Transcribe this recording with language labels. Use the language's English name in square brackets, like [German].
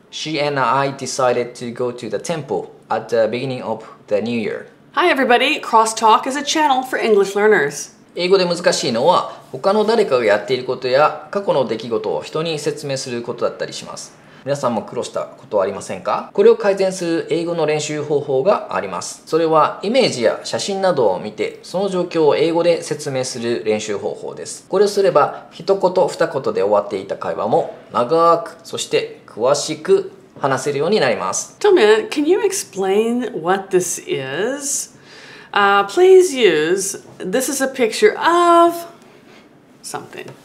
[English] She and I decided to go to the temple at the beginning of the new year. Hi everybody, CrossTalk is a channel for English learners. [Japanese] 英語で難しいのは、他の誰かがやっていることや過去の出来事を人に説明することだったりします。皆さんも苦労したことはありませんか？これを改善する英語の練習方法があります。それはイメージや写真などを見て、その状況を英語で説明する練習方法です。これをすれば、一言二言で終わっていた会話も長く、そして詳しく話せるようになります。 [English] Tomoya, can you explain what this is? Please use, this is a picture of something.